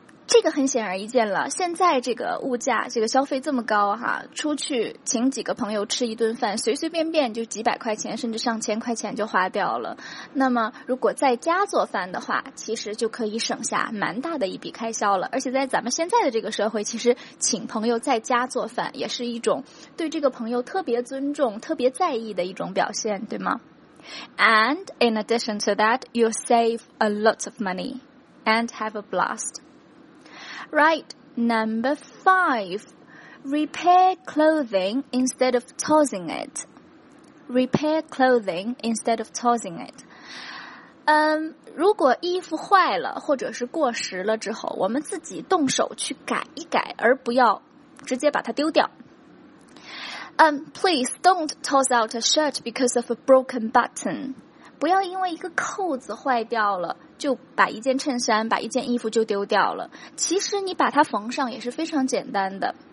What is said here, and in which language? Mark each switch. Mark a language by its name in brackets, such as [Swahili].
[Chinese] 这个很显而易见了，现在这个物价这个消费这么高哈，出去请几个朋友吃一顿饭随随便便就几百块钱甚至上千块钱就花掉了。那么如果在家做饭的话，其实就可以省下蛮大的一笔开销了。而且在咱们现在的这个社会，其实请朋友在家做饭也是一种对这个朋友特别尊重特别在意的一种表现，对吗？ [English] And in addition to that, you save a lot of money and have a blast. Right, number five, repair clothing instead of tossing it. Repair clothing instead of tossing it. [Chinese] 如果衣服坏了或者是过时了之后，我们自己动手去改一改，而不要直接把它丢掉。 [English] Please don't toss out a shirt because of a broken button. [Chinese] 不要因为一个扣子坏掉了就把一件衬衫把一件衣服就丢掉了，其实你把它缝上也是非常简单的。